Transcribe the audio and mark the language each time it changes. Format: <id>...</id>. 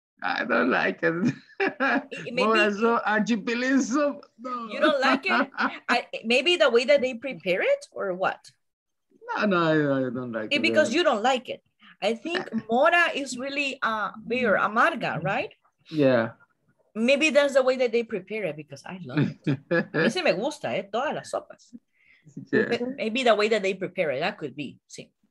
<en>I don't like it. Mora soup and chipotle soup. No. You don't like it? Maybe the way that they prepare it or what? No, I don't like it. Because you don't like it. I think Mora is really bitter,</en> <es>amarga,</es> <en>right? Yeah. Maybe that's the way that they prepare it because I love it.</en> <es>A mí se me gusta, todas las sopas.</es> <en>Maybe the way that they prepare it, that could be, sí.</en>